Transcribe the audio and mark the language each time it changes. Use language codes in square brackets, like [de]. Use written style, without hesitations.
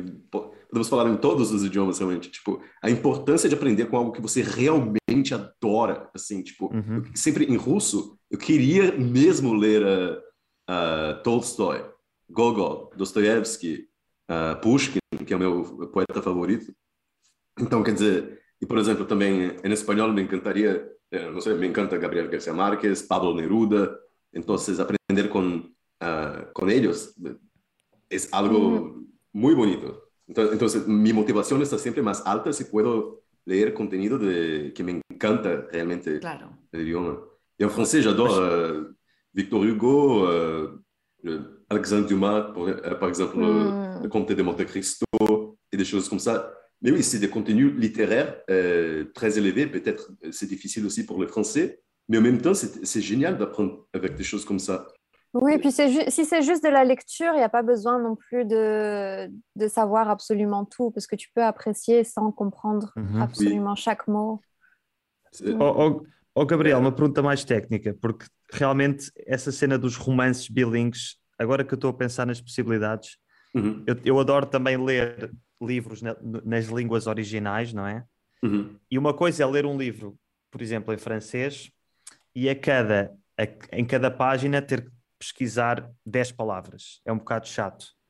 [pt] Podemos falar em todos os idiomas, realmente. Tipo, a importância de aprender com algo que você realmente adora, assim, tipo, sempre em russo, eu queria mesmo ler Tolstói, Gogol, Dostoiévski, Pushkin, que é o meu poeta favorito. Então, quer dizer, e por exemplo, também em espanhol [es] me encantaria, [pt] não sei, [es] me encanta [pt] Gabriel García Márquez, Pablo Neruda, então, aprender com eles é algo... [es] Muy bonito. Entonces, mi motivación está siempre más alta si puedo leer contenido que me encanta realmente claro. El idioma. Y en francés, [fr] j'adore [es] Victor Hugo, Alexandre Dumas, por ejemplo, el Comte de Monte Cristo, y de cosas como eso. Pero sí, si de contenido literario [fr] très élevé, peut-être c'est difficile aussi pour le français, mais en même temps, c'est génial d'apprendre avec des choses comme ça. Oui, puis si c'est juste de la lecture, il n'y a pas besoin non plus de savoir absolument tout, parce que tu peux apprécier sans comprendre absolument chaque mot. [pt] Oh, Gabriel, uma pergunta mais técnica, porque realmente essa cena dos romances bilingues, agora que eu estou a pensar nas possibilidades, eu adoro também ler livros nas línguas originais, não é? E uma coisa é ler um livro, por exemplo, em francês, e em cada página ter que pesquisar 10 palavras. É um bocado chato.